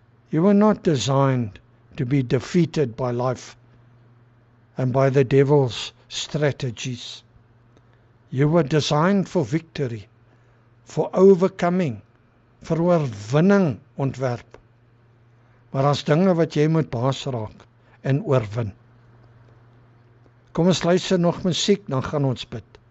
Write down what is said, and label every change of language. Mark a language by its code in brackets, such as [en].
[en] You were not designed to be defeated by life and by the devil's strategies. You were designed for victory, for overcoming, [af] vir oorwinning ontwerp. Maar daar's dinge wat jy moet baas raak en oorwin. Kom ons luister nog musiek, dan gaan ons bid.